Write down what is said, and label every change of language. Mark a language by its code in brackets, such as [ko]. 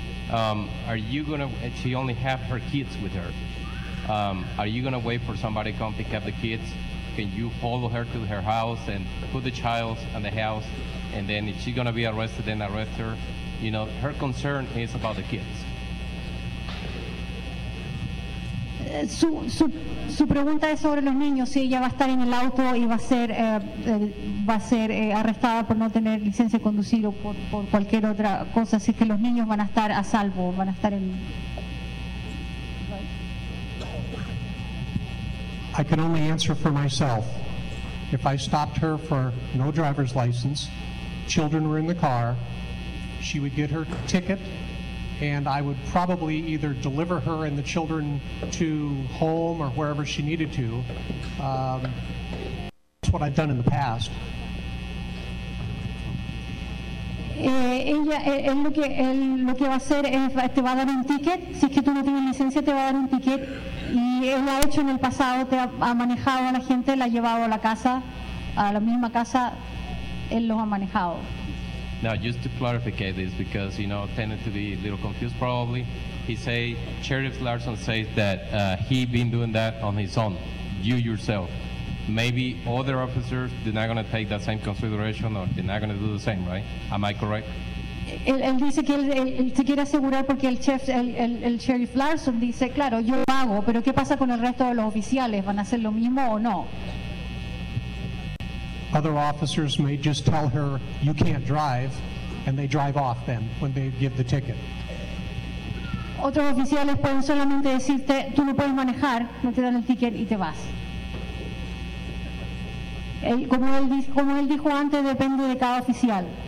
[en] Are you gonna, she only have her kids with her. Are you gonna wait for somebody to come pick up the kids? Can you follow her to her house and put the child in the house? And then if she's gonna be arrested, then arrest her. You know, her concern is about the kids. [es] Su pregunta es sobre los niños, si ella va a estar en el auto y va a ser arrestada por no tener licencia de conducir o por cualquier otra cosa, si es que los niños van a estar a salvo, van a estar en... [en] I can only answer for myself. If I stopped her for no driver's license, children were in the car, she would get her ticket, and I would probably either deliver her and the children to home or wherever she needed to. That's what I've done in the past. [es] Lo que va a hacer es, te va a dar un ticket. Si es que tú no tienes licencia, te va a dar un ticket. Y él lo ha hecho en el pasado, te ha manejado a la gente, la ha llevado a la casa, a la misma casa, él los ha manejado. [en] Now, just to clarify this, because, you know, tended to be a little confused probably, he say, Sheriff Larson says that he been doing that on his own, you yourself. Maybe other officers did not going to take that same consideration or they're not going to do the same, right? Am I correct? [es] Él dice que él se quiere asegurar porque el Sheriff Larson dice, claro, yo lo hago, pero ¿qué pasa con el resto de los oficiales? ¿Van a hacer lo mismo o no? [en] Other officers may just tell her, you can't drive, and they drive off then when they give the ticket. [es] Otros oficiales pueden solamente decirte, tú no puedes manejar, no te dan el ticket y te vas. Como él dijo antes, depende de cada oficial.